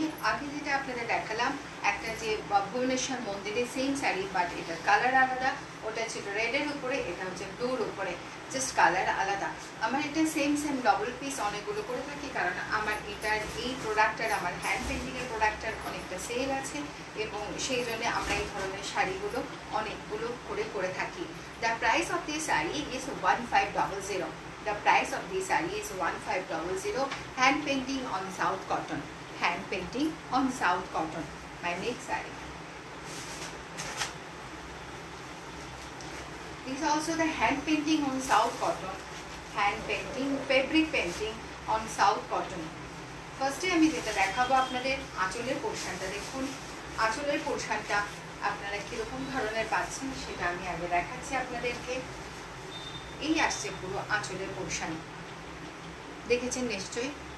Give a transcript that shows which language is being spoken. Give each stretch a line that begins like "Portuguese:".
Bangla: আগে যেটা আপনাদের দেখালাম একটা যে ভুবনেশ্বর মন্দিরে সেম শাড়ি বাট এটার কালার আলাদা, ওটা ছিল রেডের উপরে, এটা হচ্ছে ব্লুর উপরে, জাস্ট কালার আলাদা। আমার এটা সেম সেম ডবল পিস অনেকগুলো করে থাকি, কারণ আমার এটার এই প্রোডাক্টের আমার হ্যান্ড পেন্টিংয়ের প্রোডাক্টের অনেকটা সেল আছে, এবং সেই জন্যে আমরা এই ধরনের শাড়িগুলো অনেকগুলো করে করে থাকি।
English: The price of this sari is 1500। The price of this saree is 1500. Hand painting on South cotton. Hand painting on South cotton. My next saree. This also the hand painting on South cotton. Hand painting, fabric painting on South cotton. First day
Bangla: আমি যেটা দেখাবো আপনাদের আঁচলের পোর্শনটা দেখুন। আঁচলের পোর্শনটা আপনারা কিরকম ধরনের পাচ্ছেন সেটা আমি আগে দেখাচ্ছি আপনাদেরকে। এই আসছে পুরো আঁচলের পোর্শন, দেখেছেন নিশ্চয়ই।